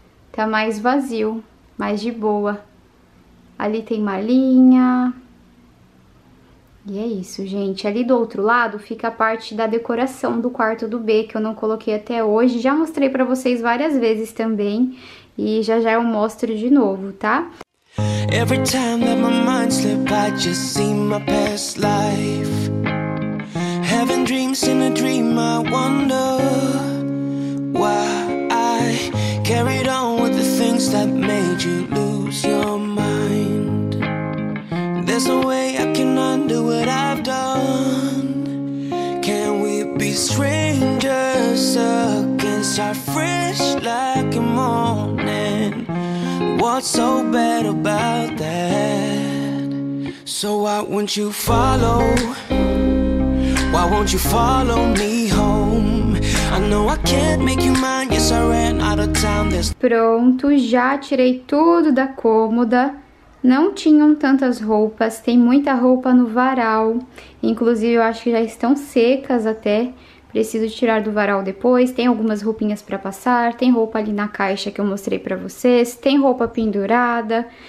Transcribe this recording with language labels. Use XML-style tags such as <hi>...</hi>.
<pt>Tá mais vazio, mais de boa. Ali tem malinha. E é isso, gente. Ali do outro lado fica a parte da decoração do quarto do B, que eu não coloquei até hoje. Já mostrei para vocês várias vezes também. E já já eu mostro de novo, tá?</pt> <en>Every time that my mind slip, I just see my past life. Having dreams in a dream, I wonder why I carried on with the things that made you lose your mind. There's no way I can undo what I've done. Can we be strangers again? Start fresh like a morning. What's so bad about that? So why won't you follow? Why won't you follow me home? I know I can't make you mine. Yes, I ran out of time.</en> <pt>Pronto, já tirei tudo da cômoda. Não tinham tantas roupas, tem muita roupa no varal. Inclusive, eu acho que já estão secas até. Preciso tirar do varal depois. Tem algumas roupinhas para passar. Tem roupa ali na caixa que eu mostrei para vocês. Tem roupa pendurada.</pt>